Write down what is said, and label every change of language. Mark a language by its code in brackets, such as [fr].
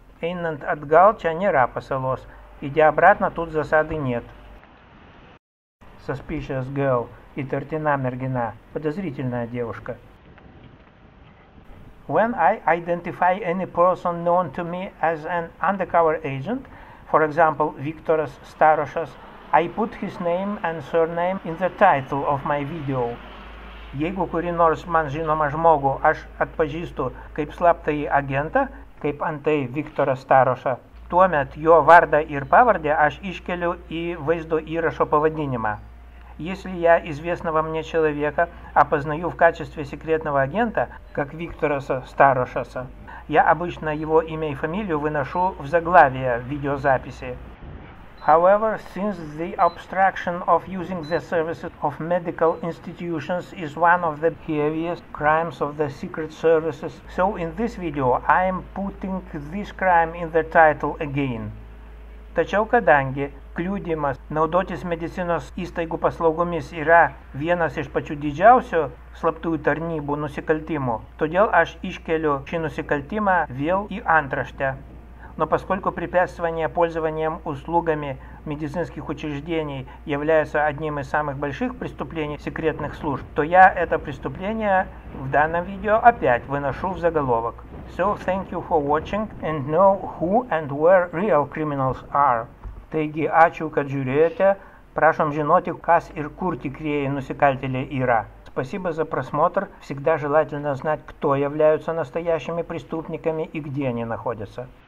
[lt] Einant atgal čia nėra pasalos. [ru] Idi обратно тут засады нет. [en] Suspicious girl. [lt] Įtartina mergina. [ru] Подозрительная девушка. [en] When I identify any person known to me as an undercover agent, for example, Viktoras Starošas, I put his name and surname in the title of my video. [lt] Jeigu kuri nors man žinoma žmogų, aš atpažįstu kaip slaptąjį agentą, kaip antai Viktorą Starošą, tuomet jo vardą ir pavardę aš iškeliu į vaizdo įrašo pavadinimą. [ru] Если я известного мне человека опознаю в качестве секретного агента, как Виктора Старошаса, я обычно его имя и фамилию выношу в заглавие видеозаписи. [en] However, since the obstruction of using the services of medical institutions is one of the heaviest crimes of the secret services, so in this video I am putting this crime in the title again. [lt] Tačiau kadangi kliūdymas naudotis medicinos įstaigų paslaugomis yra vienas iš pačių didžiausių slaptųjų tarnybų nusikaltimų. Todėl aš iškeliu šį nusikaltimą vėl į antraštę. [ru] Но поскольку препятствование пользованием услугами медицинских учреждений является одним из самых больших преступлений секретных служб, то я это преступление в данном видео опять выношу в заголовок. [en] So thank you for watching and know who and where real criminals are. [lt] Taigi, ačiū, kad žiūrėjote. Прашом žinoti, kas ir kur tikrieji nusikaltėliai yra. [ru] Спасибо за просмотр. Всегда желательно знать, кто являются настоящими преступниками и где они находятся.